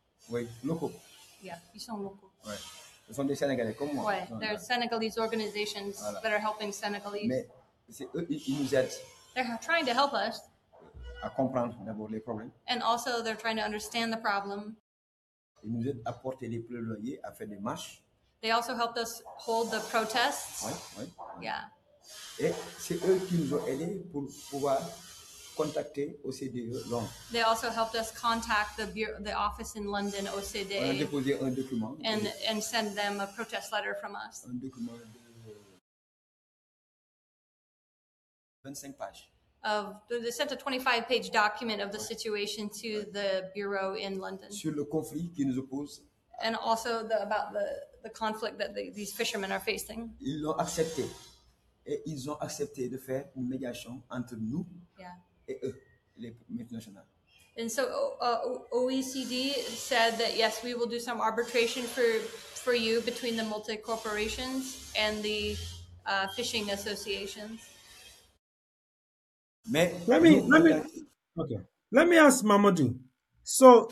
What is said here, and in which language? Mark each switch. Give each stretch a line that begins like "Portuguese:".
French: Oui, local. Yeah, ils sont local. Ouais. Ils sont des Sénégalais comme moi.
English: Ouais, they're Senegalese organizations
French: voilà.
English: that are helping Senegalese.
French: Mais c'est eux, ils nous aident.
English: They're trying to help us.
French: À comprendre d'abord les problèmes.
English: And also they're trying to understand the problem.
French: Ils nous aident à porter les plaidoyers, à faire des marches.
English: They also helped us hold the protests.
French: Ouais.
English: Yeah.
French: Et c'est eux qui nous ont aidés pour pouvoir contacter OCDE Londres.
English: They also helped us contact the office in London, OCDE.
French: On a déposé un document.
English: And send them a protest letter from us.
French: Un document de 25 pages.
English: They sent a 25-page document of the situation to the bureau in London.
French: Sur le conflit qui nous oppose.
English: And also about the conflict that these fishermen are facing.
French: Ils l'ont accepté. Et ils ont accepté de faire une médiation entre nous
English: yeah.
French: et eux, les multinationales.
English: And so OECD said that yes, we will do some arbitration for you between the multi corporations and the fishing associations.
French: Mais
English: let me ask Mamadou. So